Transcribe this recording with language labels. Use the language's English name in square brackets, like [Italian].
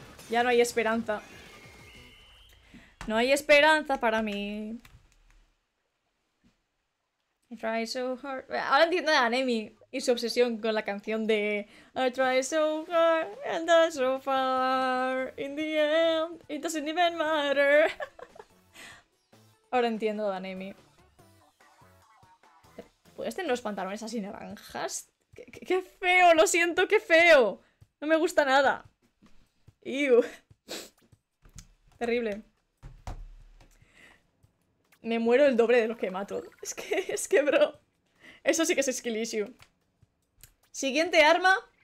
[Spanish] Ya no hay esperanza. No hay esperanza para mí. [English] I try so hard. [Spanish] Ahora entiendo a Nemi y su obsesión con la canción de [English] I try so hard and I so far. In the end, it doesn't even matter. [Spanish] Ahora entiendo a Nemi. ¿Puedes tener los pantalones así naranjas? ¡Qué feo! ¡Lo siento! ¡Qué feo! No me gusta nada. ¡Ew! Terrible. Me muero el doble de lo que mato. Es que, bro. Eso sí que es skill issue. Siguiente arma.